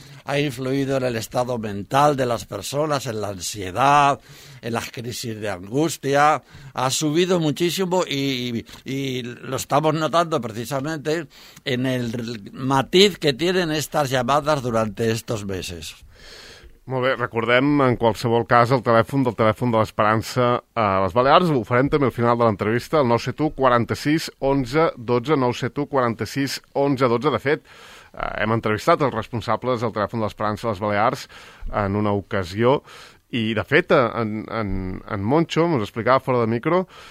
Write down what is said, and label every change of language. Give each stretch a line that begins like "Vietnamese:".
Spanish: ha influido en el estado mental de las personas, en la ansiedad, en las crisis de angustia, ha subido muchísimo y lo estamos notando precisamente en el matiz que tienen estas llamadas durante estos meses.
Catalan: Molt bé, recordem en qualsevol cas el telèfon del telèfon de l'Esperança a les Balears. Ho farem també al final de l'entrevista, el 971-46-11-12, 971-46-11-12. De fet, hem entrevistat els responsables del telèfon de l'Esperança a les Balears en una ocasió, i de fet en Moncho ens explicava fora de micro